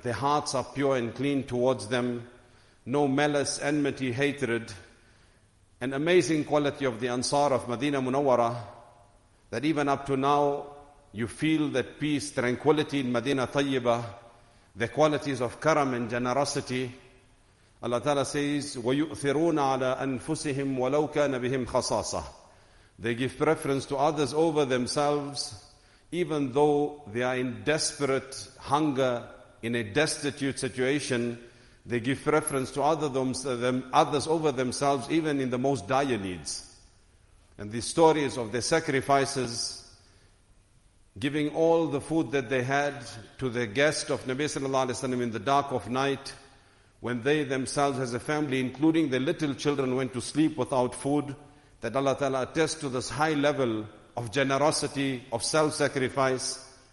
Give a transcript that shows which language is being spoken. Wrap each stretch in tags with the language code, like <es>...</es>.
<en>Their hearts are pure and clean towards them. No malice, enmity, hatred. An amazing quality of the Ansar of Medina Munawwara, that even up to now, you feel that peace, tranquility in Medina Tayyibah. Their qualities of karam and generosity.</en> <ar>Allah Ta'ala says, وَيُؤْثِرُونَ عَلَىٰ أَنفُسِهِمْ وَلَوْ كَانَ بِهِمْ خَصَاصَةٌ.</ar> <en>They give preference to others over themselves, even though they are in desperate hunger, in a destitute situation. They give preference to others over themselves, even in the most dire needs. And the stories of their sacrifices, giving all the food that they had to their guest of Nabi sallallahu alayhi wa sallam in the dark of night, when they themselves as a family, including their little children, went to sleep without food, that Allah Ta'ala attests to this high level of generosity, of self-sacrifice.</en>